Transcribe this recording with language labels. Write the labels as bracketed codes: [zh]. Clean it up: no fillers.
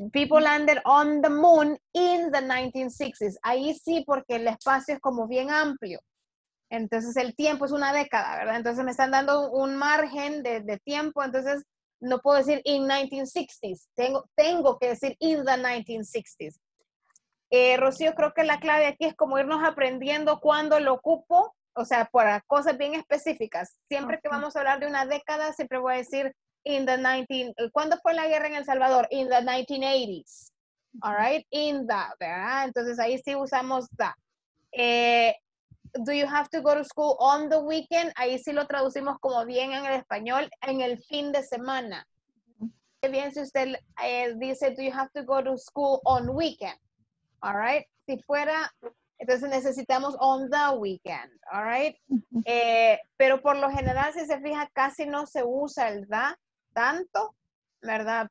[en] People landed on the moon in the 1960s. [es] Ahí sí, porque el espacio es como bien amplio. Entonces, el tiempo es una década, ¿verdad? Entonces, me están dando un margen de tiempo. Entonces, no puedo decir [en] in 1960s. [es] Tengo que decir [en] in the 1960s. [es] Rocío, creo que la clave aquí es como irnos aprendiendo cuándo lo ocupo. O sea, para cosas bien específicas. Siempre que vamos a hablar de una década, siempre voy a decir, ¿cuándo fue la guerra en El Salvador? [en] In the 1980s. All right, in that, [es] ¿verdad? Entonces ahí sí usamos that. [en] Do you have to go to school on the weekend? [es] Ahí sí lo traducimos como bien en el español, en el fin de semana. Qué bien si usted dice, [en] do you have to go to school on weekend? All right, [es] si fuera, entonces necesitamos [en] on the weekend. All right, [es] pero por lo general, si se fija, casi no se usa el da tanto, ¿verdad?